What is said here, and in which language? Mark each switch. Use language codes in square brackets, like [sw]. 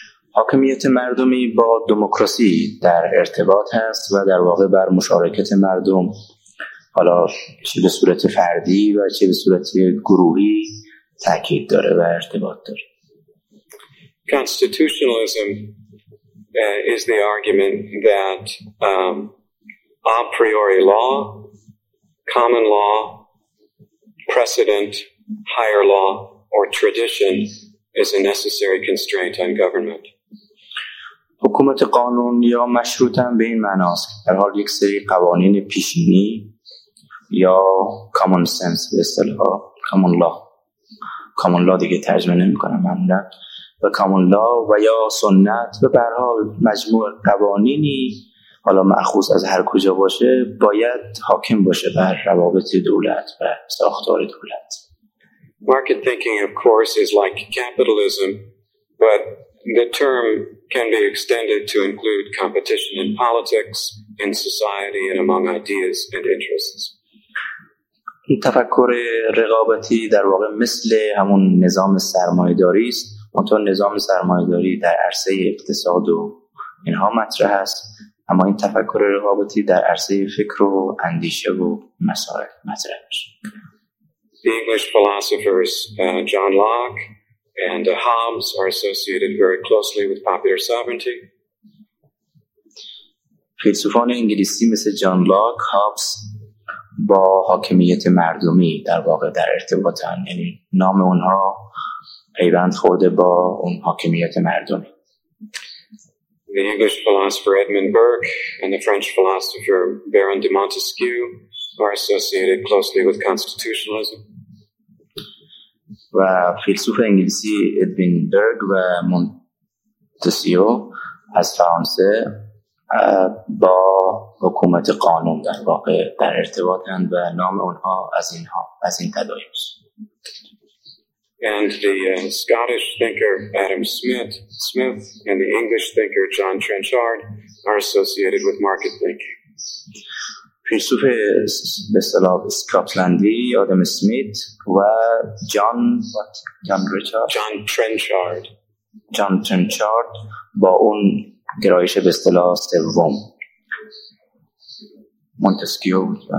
[fa] حاکمیت مردمی با دموکراسی در ارتباط هست و در واقع بر مشارکت مردم، حالا چه به صورت فردی و چه به صورت گروهی، تاکید داره و ارتباط داره. [en] Constitutionalism is the argument that a priori law, common law, precedent, higher law, or tradition is a necessary constraint on government. [fa] حکومت قانون یا مشروط هم به این معناست که در حال یک سری قوانین پیشینی یا common sense به اصطلاح common law دیگه ترجمه نمی کنم معمولاً، و کامون لا و یا سنت و به هر حال مجموع قوانینی حالا مأخوذ از هر کجا باشه باید حاکم باشه بر روابط دولت و ساختار دولت. [en] Market thinking of course is like capitalism, but the term can be extended to include competition in politics, in society, and among ideas and interests. [fa] این تفکر رقابتی در واقع مثل همون نظام سرمایه‌داری است، منطور نظام سرمایه‌داری در عرصه اقتصاد و اینها مطرح است، اما این تفکر رقابتی در عرصه فکر و اندیشه و مسائل مطرح میشه. [en] The English philosophers John Locke and Hobbes are associated very closely with popular sovereignty. [fa] فیلسوفان انگلیسی مثل جان لاک، هابز، با حاکمیت مردمی در واقع در ارتباطن، یعنی نام اونها پیوند خورده با اون حاکمیت مردمی. [en] The English philosopher Edmund Burke and the French philosopher Baron de Montesquieu are associated closely with constitutionalism. [fa] و فیلسوف انگلیسی ادوین برگ و مونتسکیو از فرانسه با حکومت قانون در واقع در ارتباطند و نام اونها از این تداعی است. [en] And the Scottish thinker Adam Smith and the English thinker John Trenchard are associated with market thinking. [fa] فیلسوف به اصطلاح اسکاتلندی آدم اسمیت و جان ریچارد با اون گرایش به اصطلاح سوم مونتسکیو بود.